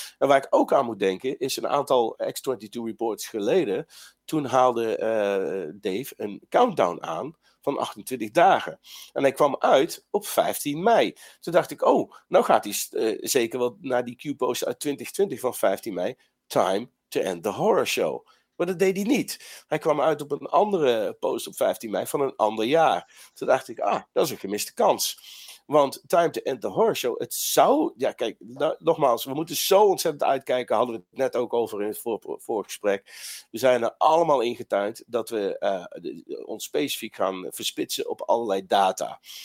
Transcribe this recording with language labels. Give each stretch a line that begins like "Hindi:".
Dutch: En waar ik ook aan moet denken is een aantal X-22 reports geleden. Toen haalde Dave een countdown aan van 28 dagen. En hij kwam uit op 15 mei. Toen dacht ik, nou gaat hij zeker wel naar die Q-post uit 2020 van 15 mei.
English: Time to end the horror show.
Dutch: Maar dat deed hij niet. Hij kwam uit op een andere post op 15 mei van een ander jaar. Toen dacht ik, dat is een gemiste kans. Want
English: time to end the horror show,
Dutch: het zou, nogmaals, we moeten zo ontzettend uitkijken. Hadden we het net ook over in het voorgesprek. We zijn er allemaal ingetuind dat we ons specifiek gaan verspitsen op allerlei data.